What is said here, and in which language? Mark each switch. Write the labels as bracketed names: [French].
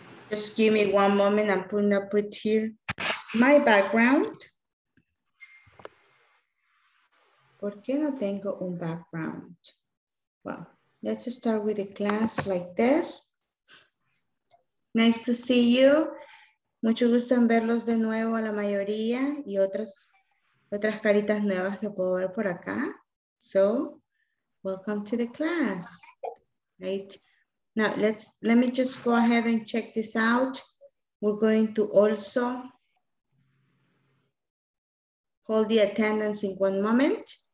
[English] Just give me one moment. I'm gonna put here my background. [Spanish] ¿Por qué no tengo un background? [English] Well, let's start with a class like this. Nice to see you. [Spanish] Mucho gusto en verlos de nuevo a la mayoría y otras caritas nuevas que puedo ver por acá. [English] So, welcome to the class. Right? Now, let me just go ahead and check this out. We're going to also call the attendance in one moment.